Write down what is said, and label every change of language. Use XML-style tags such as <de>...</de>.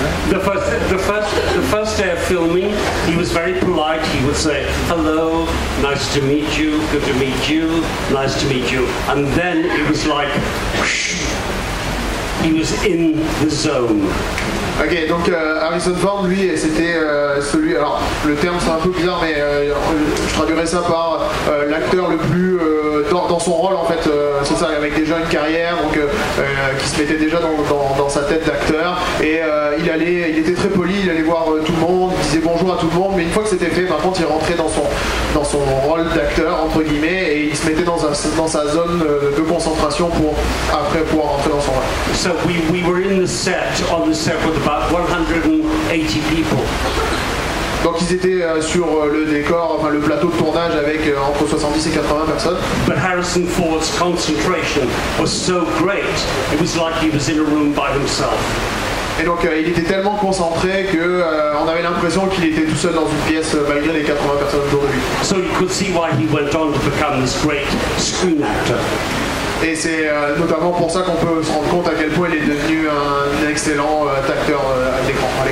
<en>The first day of filming, he was very polite. He would say, "Hello, nice to meet you. Good to meet you. Nice to meet you." And then it was like, whoosh, he was in the zone.</en> <fr>Ok, donc Harrison Ford, lui, c'était celui... Alors, le terme, c'est un peu bizarre, mais je traduirais ça par l'acteur le plus dans son rôle, en fait, c'est ça, avec déjà une carrière, donc qui se mettait déjà dans sa tête d'acteur. Et il était très poli, il allait voir tout le monde, il disait bonjour à tout le monde, mais une fois que c'était fait, par contre, il rentrait dans son rôle d'acteur, entre guillemets, et il se mettait dans sa zone de concentration pour après pouvoir rentrer dans son rôle.</fr> <en>So we were in the set, on the set with about 180 people.</en> <fr>Donc ils étaient sur le décor, enfin le plateau de tournage avec entre 70 et 80 personnes.</fr> <en>But Harrison Ford's concentration was so great, it was like he was in a room by himself.</en> <fr>Et donc il était tellement concentré que on avait l'impression qu'il était tout seul dans une pièce malgré les 80 personnes autour de lui.</fr> <en>So you could see why he went on to become this great screen actor.</en> <fr>Et c'est notamment pour ça qu'on peut se rendre compte à quel point il est devenu un excellent acteur à l'écran.</fr>